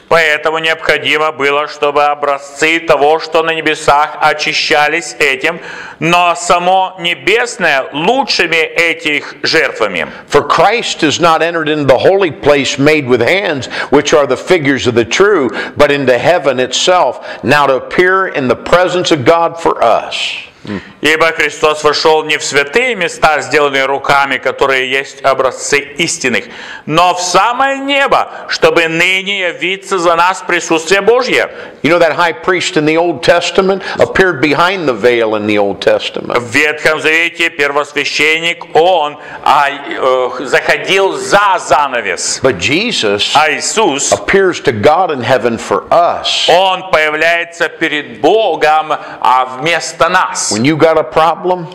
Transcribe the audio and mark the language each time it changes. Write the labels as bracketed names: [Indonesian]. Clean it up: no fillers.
[Russian] Поэтому необходимо было, чтобы образцы того, что на небесах, очищались этим, но само небесное лучшими этих жертвами. [English] For Christ has not entered into the holy place made with hands, which are the figures of the true, but into heaven itself, now to appear in the presence of God for us. [Russian] Ибо Христос вошел не в святые места, сделанные руками, которые есть образцы истинных, но в самое небо, чтобы ныне явиться за нас присутствие Божье. [English] You know that high priest in the Old Testament appeared behind the veil in the Old Testament. [Russian] В Ветхом Завете первосвященник, он заходил за занавес. [English] But Jesus [Russian] Иисус, [English] appears to God in heaven for us. [Russian] Он появляется перед Богом вместо нас. [English] When you got a problem,